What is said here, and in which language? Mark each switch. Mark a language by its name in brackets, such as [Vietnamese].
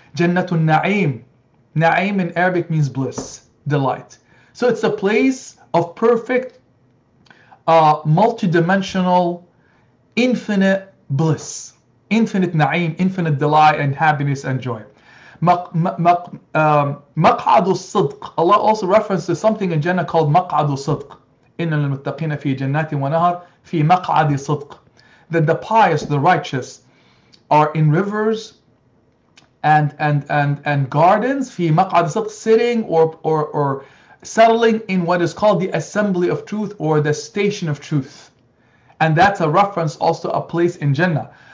[English] Jannatul Na'im. Na'im in Arabic means bliss, delight. So it's a place of perfect multidimensional, infinite bliss, infinite na'im, infinite delight and happiness and joy. [Arabic] مقعد الصدق. [English] Allah also references something in Jannah called مقعد الصدق. [Arabic] إن المتقين في جنات ونهر في مقعد صدق. [English] That the pious, the righteous, are in rivers and gardens [Arabic] في مقعد صدق, [English] sitting or settling in what is called the assembly of truth or the station of truth. And that's a reference also a place in Jannah.